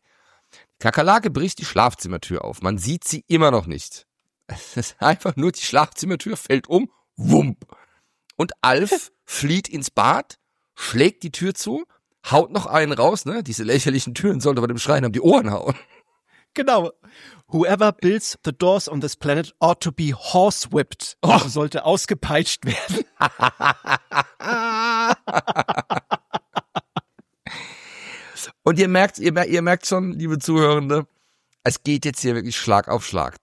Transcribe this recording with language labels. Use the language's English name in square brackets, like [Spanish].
[German] Die Kakerlake bricht die Schlafzimmertür auf, man sieht sie immer noch nicht. Es ist einfach nur, die Schlafzimmertür fällt um, wump. Und Alf flieht ins Bad, schlägt die Tür zu, haut noch einen raus, ne? Diese lächerlichen Türen sollte man dem Schreien um die Ohren hauen. Genau. [English] Whoever builds the doors on this planet ought to be horsewhipped. Oh. [German] Sollte ausgepeitscht werden. Und ihr merkt schon, liebe Zuhörende, es geht jetzt hier wirklich Schlag auf Schlag.